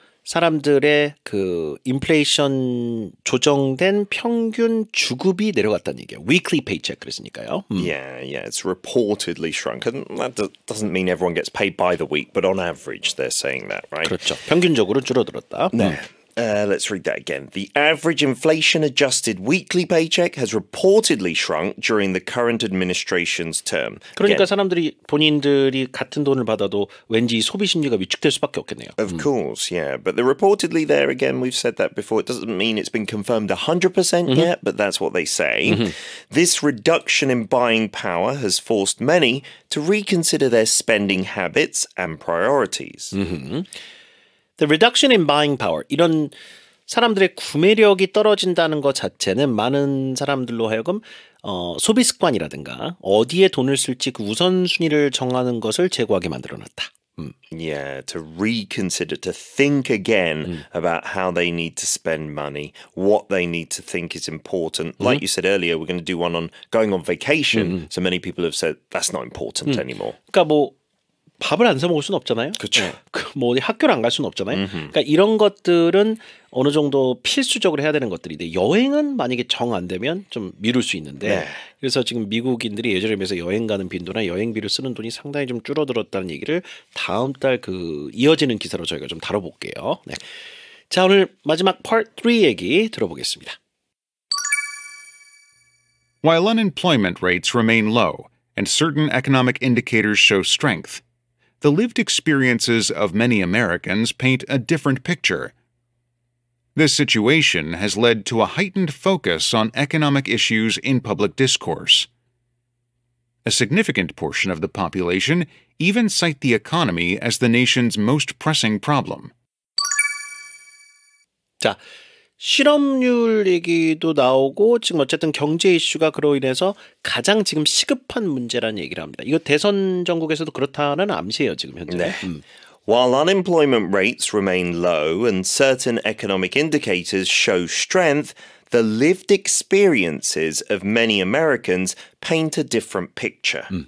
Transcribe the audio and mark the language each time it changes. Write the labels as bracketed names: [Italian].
[Korean] 사람들의 그 인플레이션 조정된 평균 주급이 내려갔다는 얘기예요. [English] Weekly paycheck [Korean] 그랬으니까요. [English] Yeah, yeah, it's reportedly shrunk. And that doesn't mean everyone gets paid by the week, but on average they're saying that, right? [Korean] 그렇죠. 평균적으로 줄어들었다. [English] 네. Let's read that again. The average inflation-adjusted weekly paycheck has reportedly shrunk during the current administration's term. [Korean] 그러니까 [English] again, [Korean] 사람들이 본인들이 같은 돈을 받아도 왠지 소비 심리가 위축될 수밖에 없겠네요. [English] Of course, yeah. But the reportedly there, again, we've said that before. It doesn't mean it's been confirmed 100% mm-hmm. yet, but that's what they say. Mm-hmm. This reduction in buying power has forced many to reconsider their spending habits and priorities. [Korean] Mm-hmm. [English] The reduction in buying power, [Korean] 이런 사람들의 구매력이 떨어진다는 것 자체는 많은 사람들로 하여금 소비 습관이라든가 어디에 돈을 쓸지 그 우선순위를 정하는 것을 제고하게 만들어놨다. [English] Yeah, to reconsider, to think again about how they need to spend money, what they need to think is important. Like you said earlier, we're going to do one on going on vacation. So many people have said that's not important anymore. [Korean] 그러니까 뭐 밥을 안 사 먹을 수는 없잖아요. 그렇죠. 뭐 학교를 안 갈 수는 없잖아요. 그러니까 이런 것들은 어느 정도 필수적으로 해야 되는 것들인데 여행은 만약에 정 안 되면 좀 미룰 수 있는데 네. 그래서 지금 미국인들이 예전에 비해서 여행 가는 빈도나 여행비를 쓰는 돈이 상당히 좀 줄어들었다는 얘기를 다음 달 그 이어지는 기사로 저희가 좀 다뤄볼게요. 네. 자 오늘 마지막 파트 3 얘기 들어보겠습니다. [English] While unemployment rates remain low and certain economic indicators show strength, the lived experiences of many Americans paint a different picture. This situation has led to a heightened focus on economic issues in public discourse. A significant portion of the population even cite the economy as the nation's most pressing problem. [Korean] 자, 실업률 얘기도 나오고 지금 어쨌든 경제 이슈가 그로 인해서 가장 지금 시급한 문제라는 얘기를 합니다. 이거 대선 전국에서도 그렇다는 암시예요, 지금 현재. [English] 네. While unemployment rates remain low and certain economic indicators show strength, the lived experiences of many Americans paint a different picture.